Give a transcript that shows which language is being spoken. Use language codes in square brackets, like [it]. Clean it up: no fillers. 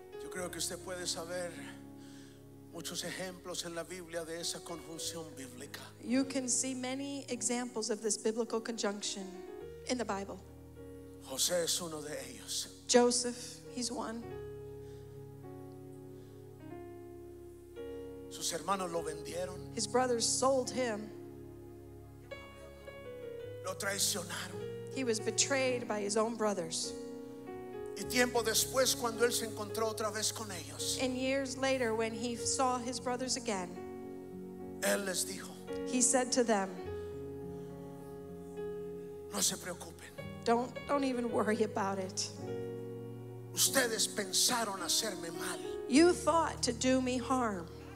[es] Creo que usted puede saber muchos ejemplos en la Biblia de esa conjunción bíblica. [en] You can see many examples of this biblical conjunction in the Bible. [es] José es uno de ellos. [en] Joseph, he's one. [es] Sus hermanos lo vendieron. [en] His brothers sold him. [es] Lo traicionaron. [en] He was betrayed by his own brothers. [es] Y tiempo después, cuando él se encontró otra vez con ellos, [en] and years later, when he saw his brothers again, [es] él les dijo, [en] he said to them, [es] no se preocupen. [en] Don't even worry about it. [es] Ustedes pensaron hacerme mal. [en] You thought to do me harm.